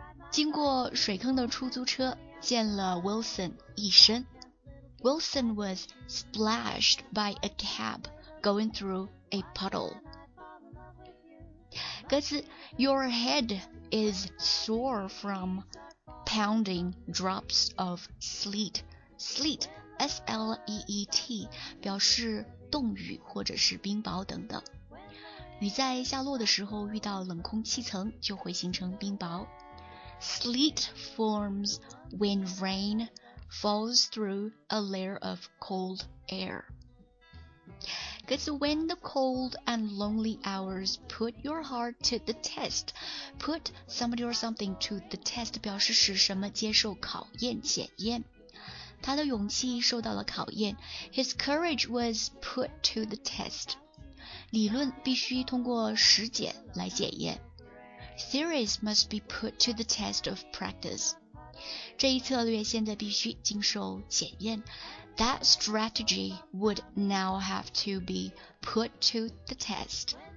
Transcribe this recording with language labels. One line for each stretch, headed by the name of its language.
Chinese: 经过水坑的出租车溅了 Wilson 一身。
English: Wilson was splashed by a cab going through a puddle. Because your head is sore from pounding drops of sleet.
Chinese: Sleet, S-L-E-E-T, 表示冻雨或者是冰雹等等。雨在下落的时候遇到冷空气层就会形成冰雹。
English: Sleet forms when rain falls through a layer of cold air. Because when the cold and lonely hours put your heart to the test, put somebody or something to the test
Chinese: 表示使什么接受考验检验。他的勇气受到了考验
English: His courage was put to the test
Chinese: 理论必须通过实践来检验
English: Theories must be put to the test of practice
Chinese: 这一策略现在必须经受检验
English: That strategy would now have to be put to the test